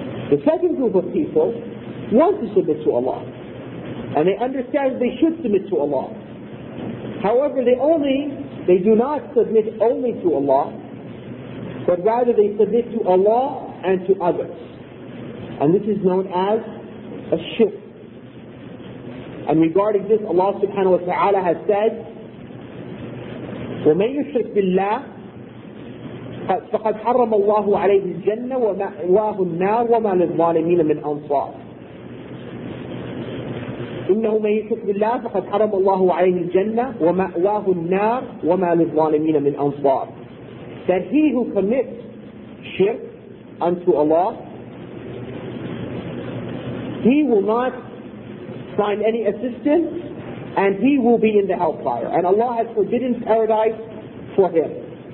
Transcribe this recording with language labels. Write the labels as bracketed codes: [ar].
[en] The second group of people want to submit to Allah, and they understand they should submit to Allah. However, they do not submit only to Allah, but rather they submit to Allah and to others. And this is known as a shirk. And regarding this, Allah subhanahu wa ta'ala has said, [ar] وَمَنْ يُشْرِكْ بِاللَّهِ فَقَدْ حَرَّمَ اللَّهُ عَلَيْهِ الْجَنَّةِ وَمَأْوَاهُ النَّارِ وَمَا لِلظَّالِمِينَ مِنْ أَنْصَارِ إِنَّهُ مَنْ يُشْرِكْ بِاللَّهِ فَقَدْ حَرَّمَ اللَّهُ عَلَيْهِ الْجَنَّةِ وَمَأْوَاهُ النَّارِ وَمَا لِلظَّالِمِينَ مِنْ أَنْصَارِ. [en] That he who commits shirk unto Allah, he will not find any assistance, and he will be in the hellfire. And Allah has forbidden paradise for him.